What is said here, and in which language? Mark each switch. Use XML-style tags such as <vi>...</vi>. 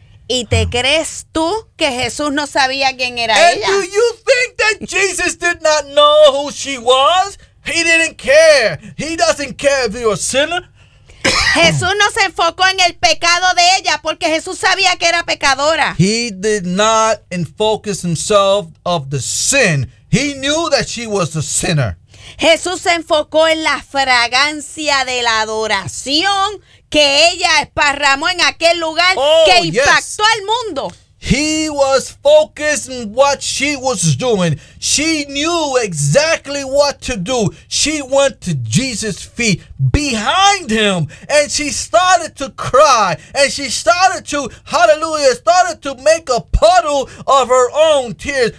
<es>¿Y te crees tú que Jesús no sabía quién era</es> <en>and ella? And do you think that Jesus did not know who she was? He didn't care. He doesn't care if you're a sinner.</en> <es>Jesús no se enfocó en el pecado de ella porque Jesús sabía que era pecadora.</es> <en>He did not focus himself of the sin. He knew that she was a sinner.</en> <es>Jesús se enfocó en la fragancia de la adoración que ella esparramó en aquel lugar, oh, que impactó,</es> <en>yes,</en> <es>al mundo.</es> <en>He was focused on what she was doing. She knew exactly what to do. She went to Jesus' feet behind him, and she started to cry, and she started to, hallelujah, started to make a puddle of her own tears.</en>